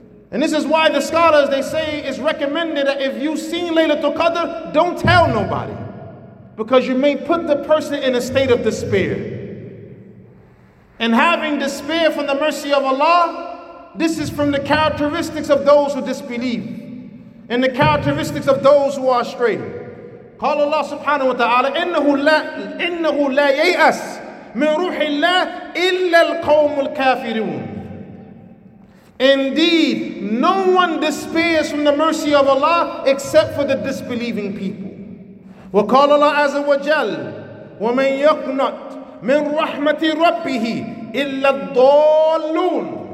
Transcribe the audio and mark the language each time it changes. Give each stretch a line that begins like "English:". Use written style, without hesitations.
English: And this is why the scholars, they say it's recommended that if you've seen Laylatul Qadr, don't tell nobody. Because you may put the person in a state of despair. And having despair from the mercy of Allah, this is from the characteristics of those who disbelieve. And the characteristics of those who are astray. Call Allah subhanahu wa ta'ala,
Arabic: إِنَّهُ لَا يَيْأَسْ مِنْ رُوحِ اللَّهِ إِلَّا الْقَوْمُ الْكَافِرُونَ.
English: Indeed, no one despairs from the mercy of Allah except for the disbelieving people.
Arabic: وَقَالَ اللَّهُ عَزَ وَجَلَّ وَمَنْ يَقْنَطْ مِنْ رَحْمَةِ رَبِّهِ إِلَّا الضَّالُّونَ.